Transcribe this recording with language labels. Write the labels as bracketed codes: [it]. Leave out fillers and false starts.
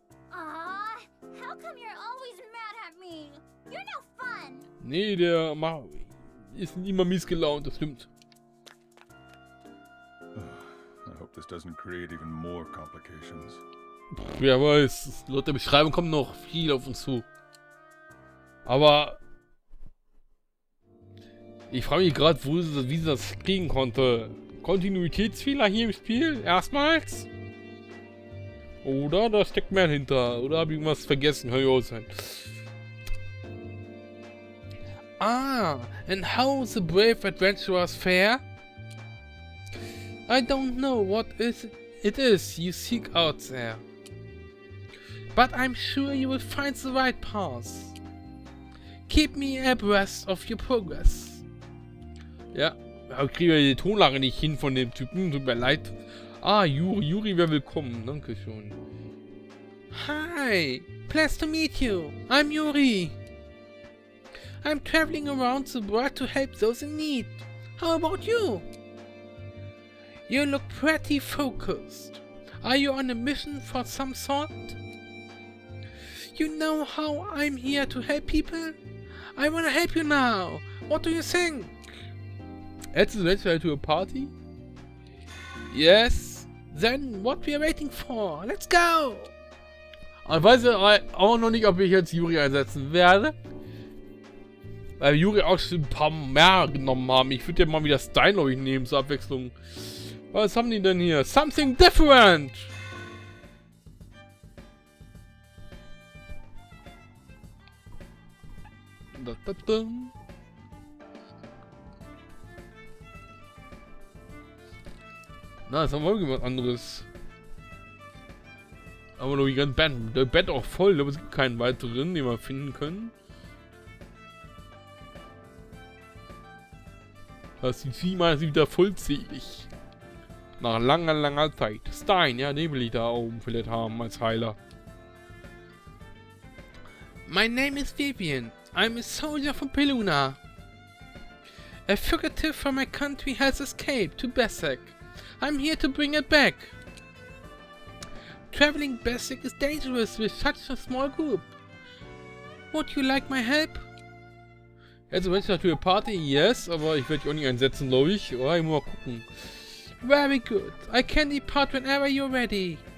[en] How come you're always mad at me? You're no fun. [de] Nee, der ist immer mies gelaunt, das stimmt. [en] I hope this doesn't create even more complications. [de] Pff, wer weiß, laut der Beschreibung kommt noch viel auf uns zu. Aber ich frage mich gerade, wie sie das kriegen konnte. Kontinuitätsfehler hier im Spiel? Erstmals? Oder da steckt mehr hinter. Oder habe ich irgendwas vergessen? Hör ich auch sein. [en] Ah, and how the brave adventurers fare? I don't know what it is you seek out there. But I'm sure you will find the right path. Keep me abreast of your progress. [de] Ja. Ich kriege die Tonlage nicht hin von dem Typen, tut mir leid. Ah, Yuri, wer willkommen, danke schön. [en] Hi, pleased to meet you, I'm Yuri. I'm traveling around the world to help those in need. How about you? You look pretty focused. Are you on a mission for some sort? You know how I'm here to help people? I wanna help you now, what do you think? Add the letter to a party? Yes. Then what we are waiting for? Let's go! [de] Ich weiß auch noch nicht, ob ich jetzt Yuri einsetzen werde. Weil Yuri auch schon ein paar mehr genommen haben. Ich würde ja mal wieder Stein, glaube ich, nehmen zur Abwechslung. Was haben die denn hier? [en] Something different! Da, da, da. [de] Na, jetzt haben wir irgendwas anderes. Aber noch ein Bett. Der Bett auch voll. Ich glaube, es gibt keinen weiteren, den wir finden können. Das sieht ziemlich wieder vollzählig. Nach langer, langer Zeit. Stein, ja, den will ich da oben vielleicht haben als Heiler. [en] My name is Vivian. I'm a soldier from Peluna. A fugitive from my country has escaped to Bessek. I'm here to bring it back. Traveling Bessek is dangerous with such a small group. Would you like my help? [de] Also wenn ich natürlich eine Party, yes, aber ich werde dich auch nicht einsetzen, glaube ich. Oder ich muss mal gucken. [en] Very good. I can depart whenever you're ready.